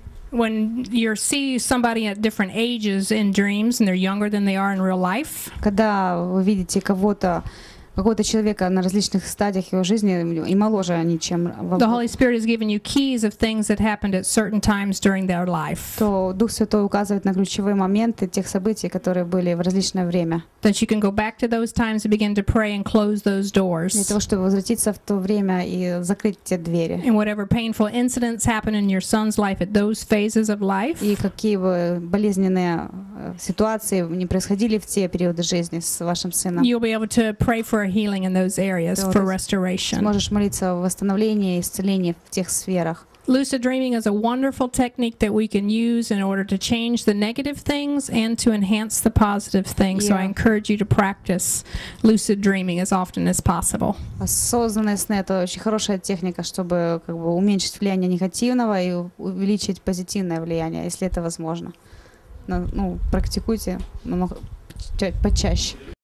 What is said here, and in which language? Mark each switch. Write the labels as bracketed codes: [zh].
[en] When you see somebody at different ages in dreams and they're younger than they are in real life. [ru] Когда вы видите кого-то какого-то человека на различных стадиях его жизни и моложе они, чем [en] The Holy Spirit has given you keys of things that happened at certain times during their life. [ru] То Дух Святой указывает на ключевые моменты тех событий, которые были в различное время. [en] That you can go back to those times and begin to pray and close those doors. [ru] Для того, чтобы возвратиться в то время и закрыть те двери. [en] And whatever painful incidents happen in your son's life at those phases of life. [ru] И какие бы болезненные ситуации не происходили в те периоды жизни с вашим сыном. [en] You'll be able to pray for healing in those areas, for restoration. [ru] Можешь молиться о восстановлении и исцелении в тех сферах. [en] Lucid dreaming is a wonderful technique that we can use in order to change the negative things and to enhance the positive things. Yeah. So I encourage you to practice lucid dreaming as often as possible. [ru] Осознанные сны — это очень хорошая техника, чтобы уменьшить влияние негативного и увеличить позитивное влияние, если это возможно. Практикуйте почаще.